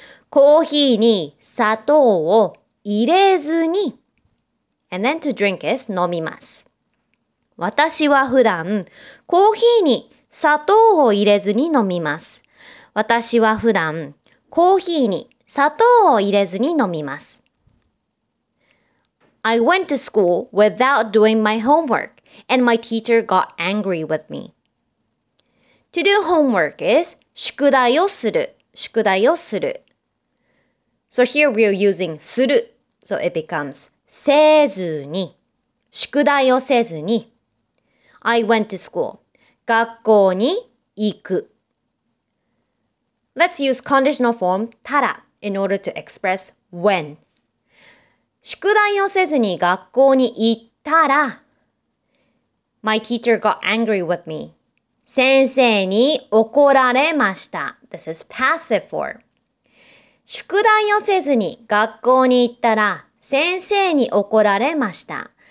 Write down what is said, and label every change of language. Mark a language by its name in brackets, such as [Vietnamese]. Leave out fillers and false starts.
[Japanese] コーヒーに砂糖を入れずに。 [English] And then to drink is [Japanese] 飲みます。私は普段コーヒーに砂糖を入れずに飲みます。私は普段コーヒーに砂糖を入れずに飲みます。 [English] I went to school without doing my homework, and my teacher got angry with me. To do homework is [Japanese] 宿題をする、宿題をする。 [English] So here we are using する、so it becomes [Japanese] せずに、宿題をせずに。 [English] I went to school. [Japanese] 学校に行く。 [English] Let's use conditional form たら in order to express when. [Japanese] 宿題をせずに学校に行ったら [English] My teacher got angry with me. [Japanese] 先生に怒られました。 [English] This is passive form. [Japanese] 宿題をせずに学校に行ったら先生に怒られました。